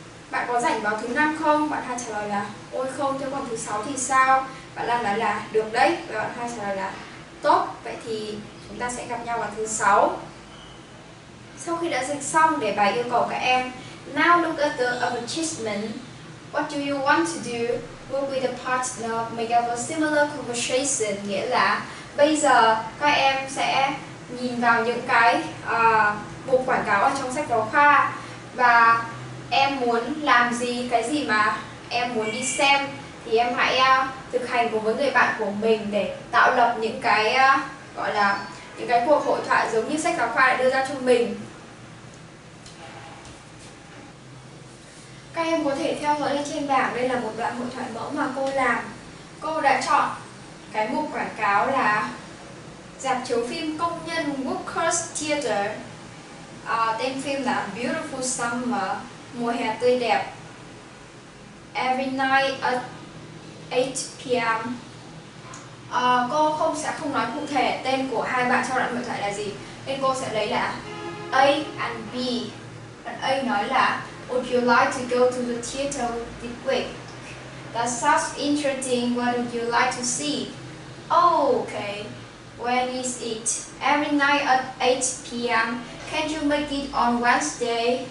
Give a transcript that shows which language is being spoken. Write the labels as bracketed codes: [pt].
[vi] Bạn có rảnh vào thứ năm không? Bạn Lan trả lời là ôi không. Thế còn thứ sáu thì sao? Bạn Lan nói là được đấy. Và bạn Lan trả lời là tốt, vậy thì chúng ta sẽ gặp nhau vào thứ sáu. Sau khi đã dịch xong để bài yêu cầu các em, [en] now look at the advertisement. What do you want to do? Work with a partner, make up a similar conversation. [vi] Nghĩa là bây giờ các em sẽ nhìn vào những cái bộ quảng cáo ở trong sách giáo khoa và em muốn làm gì, cái gì mà em muốn đi xem thì em hãy thực hành cùng với người bạn của mình để tạo lập những cái gọi là những cái cuộc hội thoại giống như sách giáo khoa đã đưa ra cho mình. Các em có thể theo dõi lên trên bảng, đây là một đoạn hội thoại mẫu mà cô làm. Cô đã chọn cái mục quảng cáo là rạp chiếu phim công nhân Workers Theater. Tên phim là Beautiful Summer, mùa hè tươi đẹp. [en] Every night at 8 p.m. [vi] Cô sẽ không nói cụ thể tên của hai bạn trong đoạn hội thoại là gì, nên cô sẽ lấy là A and B. Bạn A nói là [en] would you like to go to the theater this week? That sounds interesting. What would you like to see? Oh, okay. When is it? Every night at 8 p.m. Can you make it on Wednesday?